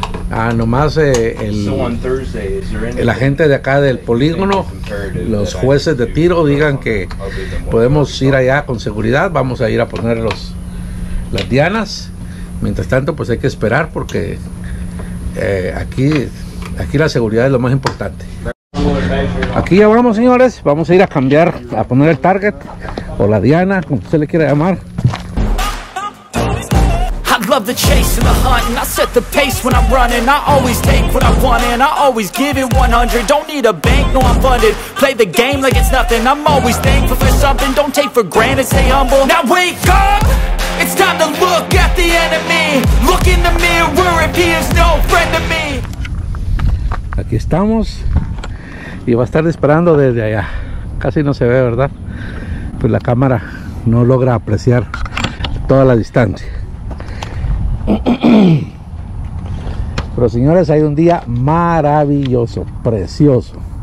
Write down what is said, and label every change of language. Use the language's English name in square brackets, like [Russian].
[Spanish] Ah, nomás el agente de acá del polígono, los jueces de tiro, digan que podemos ir allá con seguridad. Vamos a ir a poner las dianas. Mientras tanto, pues hay que esperar porque aquí la seguridad es lo más importante. Aquí ya vamos, señores. Vamos a ir a cambiar, a poner el Target o la Diana, como usted le quiera llamar. [English] Love the chase and the hunt, and I set the pace when I'm running. I always take what I want, and I always give it 100. Don't need a bank, no, I'm funded. Play the game like it's nothing. I'm always thankful for something. Don't take for granted, stay humble. Now wake up, it's time to look at the enemy. Look in the mirror if he is no friend to me. [Spanish] Aquí estamos, y va a estar disparando desde allá. Casi no se ve, ¿verdad? Pues la cámara no logra apreciar toda la distancia. Pero señores, hay un día maravilloso, precioso.